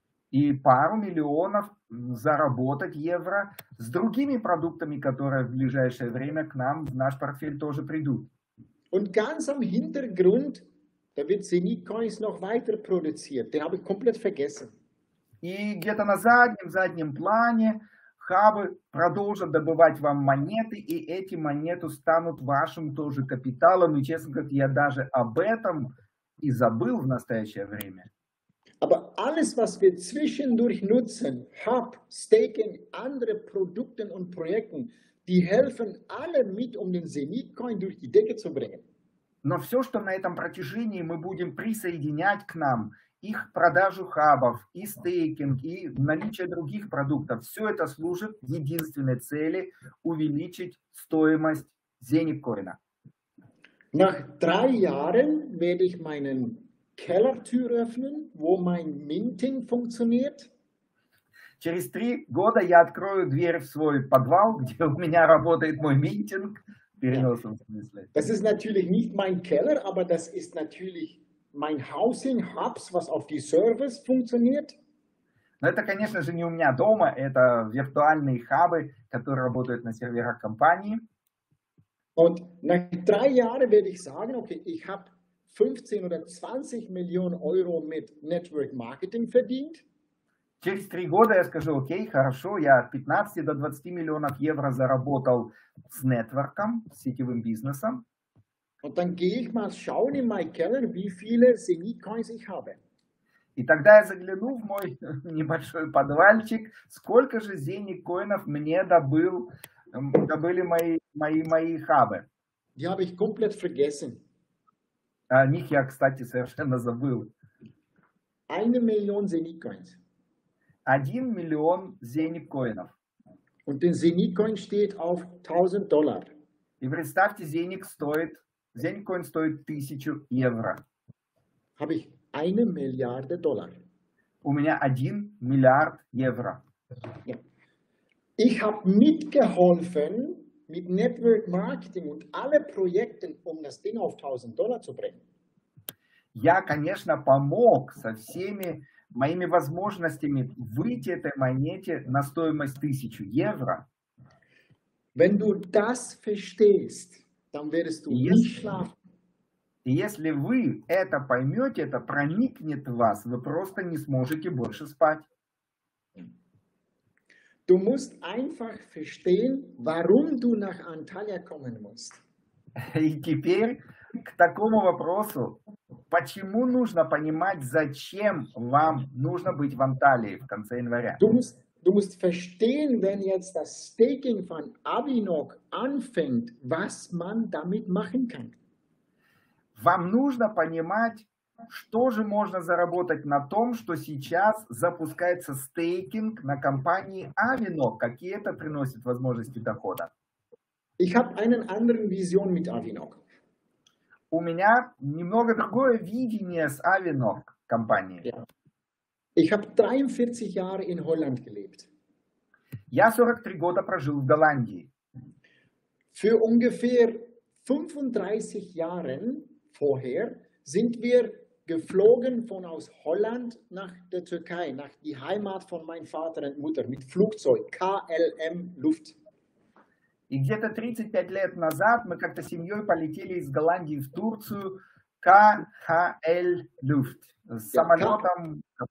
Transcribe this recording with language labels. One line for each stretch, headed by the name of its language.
Russian: И пару миллионов заработать евро с другими продуктами, которые в ближайшее время к нам в наш портфель тоже придут.
German: Und ganz am Hintergrund, da wird Zenith Coins noch weiter produziert. Den habe ich komplett vergessen.
Russian: И где-то на заднем плане хабы продолжат добывать вам монеты, и эти монеты станут вашим тоже капиталом. И, честно говоря, я даже об этом и забыл в настоящее время.
German: Aber alles, was wir zwischendurch nutzen, Hub, Staking, andere Produkte und Projekte, die helfen alle mit, um den Zenith-Coin durch die Decke zu bringen.
Russian: Но все, что на этом протяжении мы будем присоединять к нам, их продажу хабов, и стейкинг, и наличие других продуктов, все это служит единственной цели увеличить стоимость Zenith-коина.
German: Nach 3 Jahren werde ich meinen Kellertür öffnen, wo mein Minting funktioniert.
Russian: Через 3 года я открою дверь в свой подвал, где у меня работает мой минтинг. Переносом, в смысле.
German: Das ist natürlich nicht mein Keller, aber das ist natürlich mein Housing Hubs, was auf die Service funktioniert.
Russian: Но это, конечно же, не у меня дома, это виртуальные хабы, которые работают на серверах компании.
German: Und nach 3 Jahren werde ich sagen, okay, ich habe 15 oder 20 Millionen Euro mit Network Marketing verdient.
Russian: Через 3 года я скажу, окей, хорошо, я от 15 до 20 миллионов евро заработал с нетворком, с сетевым бизнесом.
German: Und dann gehe ich mal schauen in my Keller, wie viele Zenith Coins ich habe.
Russian: И тогда я загляну в мой небольшой подвальчик, сколько же Zenith Coins мне добыли мои хабы.
German: Die habe ich komplett vergessen.
Russian: О них я, кстати, совершенно забыл.
German: 1 Million Zenith Coins.
Russian: 1 миллион Zenith коинов.
German: Und den Zenith Coin steht auf $1000.
Russian: И представьте, Zenith Coin стоит 1000 евро.
German: Habe ich 1 Milliarde Dollar.
Russian: У меня 1 миллиард евро.
German: Ich habe mitgeholfen mit Network Marketing und alle Projekten, um das Ding auf $1000 zu bringen.
Russian: Я, конечно, помог со всеми моими возможностями выйти этой монете на стоимость 1000 евро.
German: Wenn du das verstehst, dann wirst du nicht schlafen.
Russian: Если вы это поймете, это проникнет в вас, вы просто не сможете больше спать.
German: Du musst einfach verstehen, warum du nach Antalya kommen musst.
Russian: И теперь к такому вопросу, почему нужно понимать, зачем вам нужно быть в Анталии в конце января.
German: Du musst verstehen, wenn jetzt das Staking von Abinok anfängt, was man damit machen kann.
Russian: Вам нужно понимать, что же можно заработать на том, что сейчас запускается стейкинг на компании Avinok, какие это приносит возможности дохода.
German: Ich habe eine andere Vision mit Avinok.
Russian: У меня немного другое видение с Avinok компанией. Yeah.
German: Ich habe 43 Jahre in Holland gelebt.
Russian: Я 43 года прожил в Голландии.
German: Für ungefähr 35 Jahren vorher sind wir geflogen von aus Holland nach der Türkei, nach die Heimat von meinem Vater und Mutter mit Flugzeug KLM Luft.
Russian: И где-то 35 лет назад мы как-то семьей полетели из Голландии в Турцию KHL Luft с самолетом.